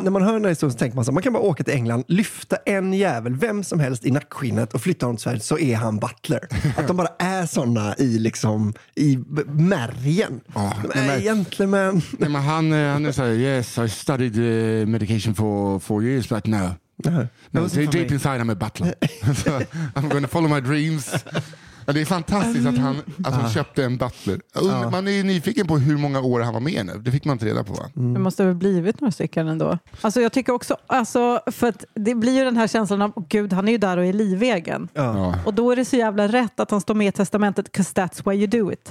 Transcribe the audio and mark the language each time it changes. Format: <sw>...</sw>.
<sv>När man hör den här historien så tänker man så här, man kan bara åka till England, lyfta en jävel, vem som helst i nackskinnet och flytta honom till Sverige, så är han butler. Att de bara är såna i liksom, i märgen. Ah, men, gentleman. Nej, men han är så här,</sv> <en>yes, I studied medication for years, but no. No, so deep inside I'm a butler. So I'm going to follow my dreams.</en> <sv>Det är fantastiskt att han köpte en butler. Man är ju nyfiken på hur många år han var med nu. Det fick man inte reda på, va? Det måste väl blivit några stycken ändå. Alltså jag tycker också, alltså, för att det blir ju den här känslan av gud, han är ju där och är livegen. Och då är det så jävla rätt att han står med i testamentet,</sv> <en>'cause that's why you do it.</en>